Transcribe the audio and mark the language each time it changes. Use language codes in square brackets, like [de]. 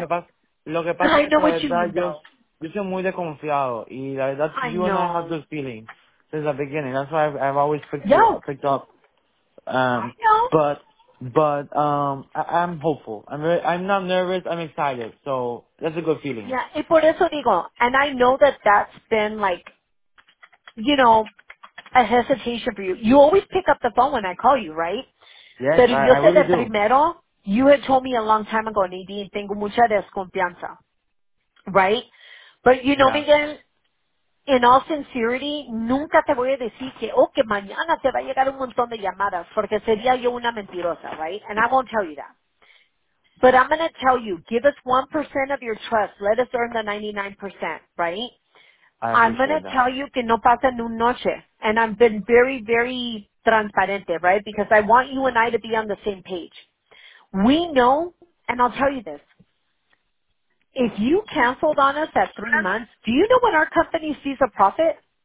[es] No, lo que pasa es que yo soy muy desconfiado. Y la verdad, you [en] know. And I have those feelings since the beginning. That's why I've always picked up. I'm hopeful. I'm not nervous. I'm excited. So that's a good feeling. [es] Yeah, y por eso digo. [en] And I know that that's been like, you know, a hesitation for you. You always pick up the phone when I call you, right? Yes, but I really de do. Primero, you had told me a long time ago, Nadine, [es] tengo mucha desconfianza, [en] right? But you know, yeah. [es] Miguel, [en] in all sincerity, [es] nunca te voy a decir que, oh, que mañana te va a llegar un montón de llamadas, porque sería yo una mentirosa, right? [en] And I won't tell you that. But I'm going to tell you, give us 1% of your trust. Let us earn the 99%, right? I'm going to tell you [es] que no pasa en un noche. [en] And I've been very, very transparente, right? Because I want you and I to be on the same page. We know, and I'll tell you this, if you canceled on us at 3 months, do you know when our company sees a profit?